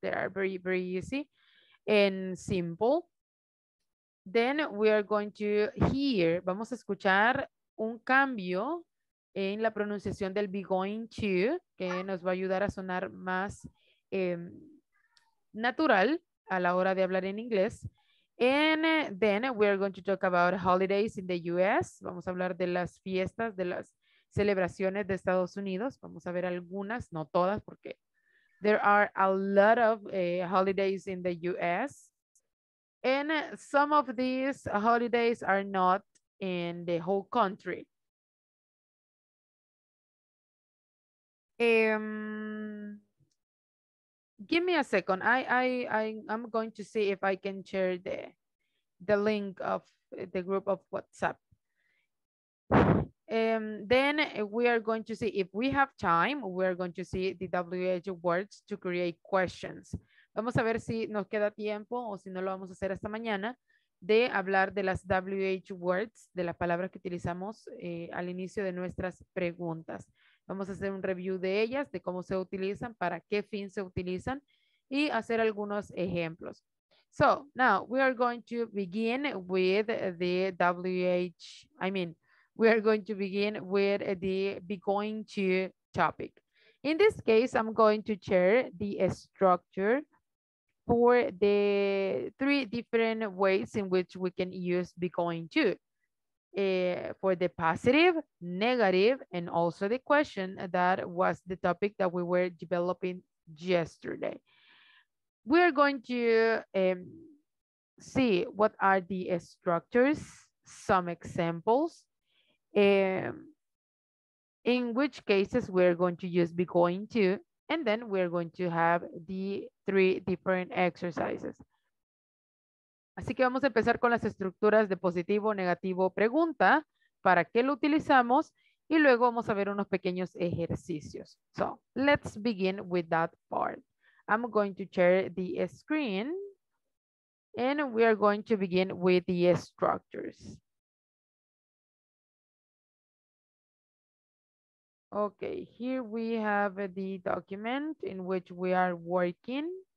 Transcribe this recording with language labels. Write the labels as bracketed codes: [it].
[en] They are very, very easy and simple. Then we are going to hear, [es] vamos a escuchar un cambio en la pronunciación del be going to, que nos va a ayudar a sonar más natural a la hora de hablar en inglés. [en] And then we are going to talk about holidays in the US. [es] Vamos a hablar de las fiestas, de las celebraciones de Estados Unidos. Vamos a ver algunas, no todas, porque [en] there are a lot of holidays in the US. And some of these holidays are not in the whole country. Give me a second. I'm going to see if I can share the link of the group of WhatsApp. Then we are going to see if we have time. We are going to see the WH words to create questions. [es] Vamos a ver si nos queda tiempo o si no lo vamos a hacer hasta mañana de hablar de las WH words, de las palabras que utilizamos al inicio de nuestras preguntas. Vamos a hacer un review de ellas, de cómo se utilizan, para qué fin se utilizan y hacer algunos ejemplos. [en] So, now we are going to begin with the WH, I mean, we are going to begin with the be going to topic. In this case, I'm going to share the structure for the three different ways in which we can use be going to. For the positive, negative, and also the question that was the topic that we were developing yesterday. We are going to see what are the structures, some examples, in which cases we're going to use be going to, and then we're going to have the three different exercises. [es] Así que vamos a empezar con las estructuras de positivo, negativo, pregunta, para qué lo utilizamos, y luego vamos a ver unos pequeños ejercicios. [en] So, let's begin with that part. I'm going to share the screen, and we are going to begin with the structures. Okay, here we have the document in which we are working.